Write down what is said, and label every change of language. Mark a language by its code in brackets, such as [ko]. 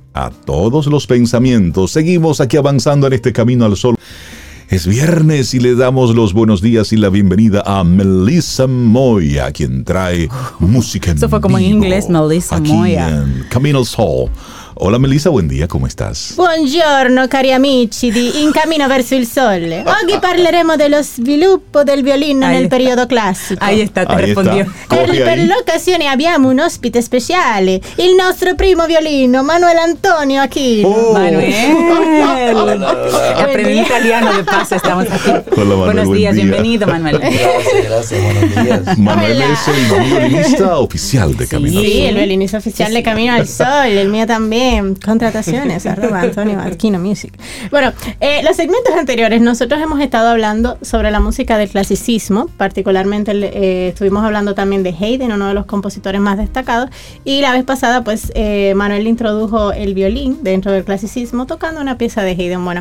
[es] A todos los pensamientos. Seguimos aquí avanzando en este camino al sol. Es viernes y le damos los buenos días y la bienvenida a Melissa Moya, quien trae música en vivo. Eso fue como en inglés, Melissa aquí Moya. En Camino al Sol. Hola Melissa, buen día, ¿cómo estás? [it] Buongiorno, cari amici di In Camino Verso il Sole. Oggi parleremo dello sviluppo del violino nel periodo classico. [es] Ahí está, te respondió. [it] Per l'occasione abbiamo un ospite speciale, il nostro primo violino, Manuel Antonio Aquino. [es] Oh. Manuel. Aprendí italiano de paso, estamos aquí. Hola, Manuel, buenos días, bienvenido Manuel. Gracias, buenos días. Manuel. Hola. Es el violinista oficial de Camino al Sol. Sí, el violinista oficial de Camino al Sol, el mío también. Contrataciones, arroba Antonio Aquino Music. Bueno, los segmentos anteriores, nosotros hemos estado hablando sobre la música del clasicismo, particularmente estuvimos hablando también de Haydn, uno de los compositores más destacados, y la vez pasada, pues, Manuel introdujo el violín dentro del clasicismo tocando una pieza de Haydn.